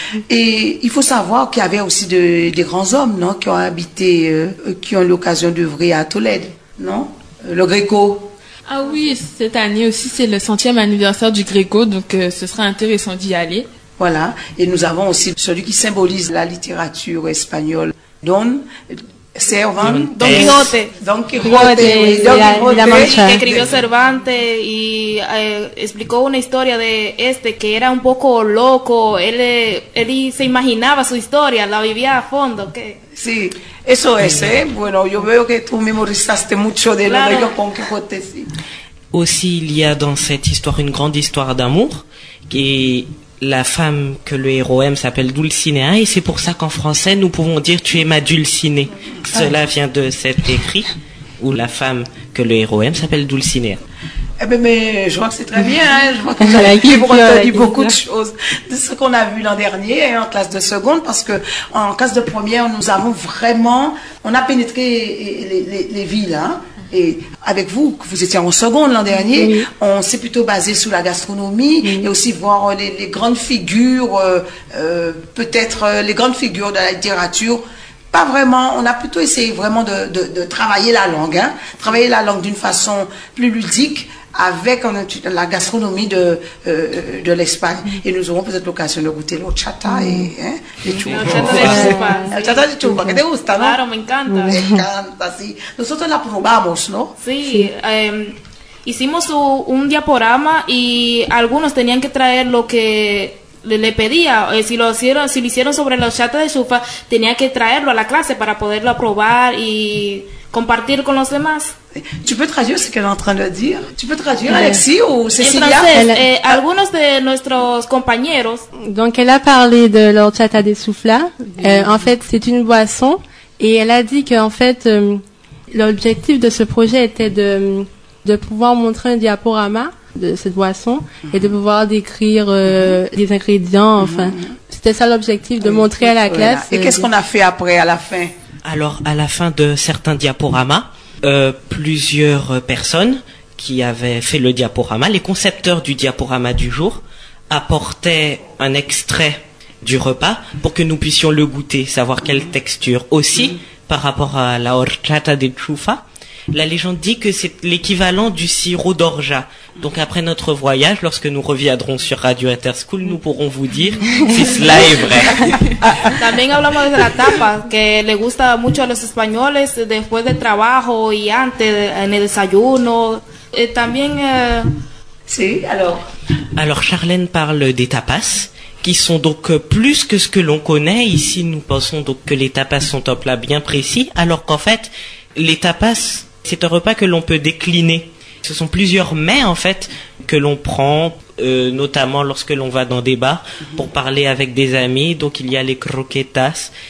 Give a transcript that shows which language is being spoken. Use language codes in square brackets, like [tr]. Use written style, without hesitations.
[fr] Et il faut savoir qu'il y avait aussi des grands hommes, non, qui ont habité, qui ont eu l'occasion d'œuvrer à Tolède, non? Le Gréco. Ah oui, cette année aussi, c'est le 100e anniversaire du Gréco, donc ce sera intéressant d'y aller. Voilà, et nous avons aussi celui qui symbolise la littérature espagnole, Don Cervantes. Don Quixote. Don Quixote. [es] Escribió Cervantes y explicó una historia de este que era un poco loco. Él se imaginaba su historia, la vivía a fondo. ¿Qué? Sí, eso es, ¿eh? Bueno, yo veo que tú memorizaste mucho de lo de Don Quixote, sí. [fr] Aussi, il y a dans cette histoire une grande histoire d'amour, qui est la femme que le héros aime s'appelle Dulcinea, et c'est pour ça qu'en français, nous pouvons dire « tu es ma Dulcinée ». Cela vient de cet écrit, où la femme que le héros aime s'appelle Dulcinea. Eh bien, mais je vois que c'est très bien, hein. Je vois que tu as dit beaucoup de choses de ce qu'on a vu l'an dernier en classe de seconde, parce que en classe de première, nous avons vraiment, on a pénétré les villes, hein. Et avec vous, vous étiez en seconde l'an dernier, oui. On s'est plutôt basé sur la gastronomie, oui. Et aussi voir les grandes figures, peut-être les grandes figures de la littérature. Pas vraiment, on a plutôt essayé vraiment de travailler la langue, hein, travailler la langue d'une façon plus ludique avec la gastronomie de l'Espagne. Et nous aurons peut-être l'occasion de goûter l'horchata et les churros. L'horchata [es] de churros, ¿qué te gusta, no? Claro, me encanta. Me encanta, sí. Nosotros la probamos, ¿no? Sí, hicimos un diaporama y algunos tenían que traer lo que le pedía, si lo hicieron sobre la horchata de chufa, tenía que traerlo a la clase para poderlo probar y compartir con los demás. ¿Tú puedes traducir lo que está [fr] en train de [es] decir? ¿Tú puedes traducir, Alexis o Cecilia? En francés, algunos de nuestros compañeros. [fr] Donc elle a parlé de l'horchata de chufa. En fait, c'est une boisson et elle a dit que en fait l'objectif de ce projet était de pouvoir montrer un diaporama de cette boisson, mm-hmm. et de pouvoir décrire les ingrédients, enfin. Mm-hmm. C'était ça l'objectif, de montrer à la classe. Et qu'est-ce qu'on a fait après, à la fin? Alors, à la fin de certains diaporamas, plusieurs personnes qui avaient fait le diaporama, les concepteurs du diaporama du jour, apportaient un extrait du repas pour que nous puissions le goûter, savoir quelle texture. Aussi, mm-hmm. par rapport à la horchata de chufa, la légende dit que c'est l'équivalent du sirop d'orgeat. Donc après notre voyage, lorsque nous reviendrons sur Radio Interschool, nous pourrons vous dire si cela est vrai. [es] También hablamos de la tapa, que le gusta mucho a los españoles después de trabajo y antes en el desayuno. [fr] Et [es] también sí, [fr] alors. Alors Charlène parle des tapas, qui sont donc plus que ce que l'on connaît ici. Nous pensons donc que les tapas sont un plat bien précis, alors qu'en fait les tapas, c'est un repas que l'on peut décliner. Ce sont plusieurs mets, en fait, que l'on prend, notamment lorsque l'on va dans des bars, pour parler avec des amis. Donc, il y a les croquetas,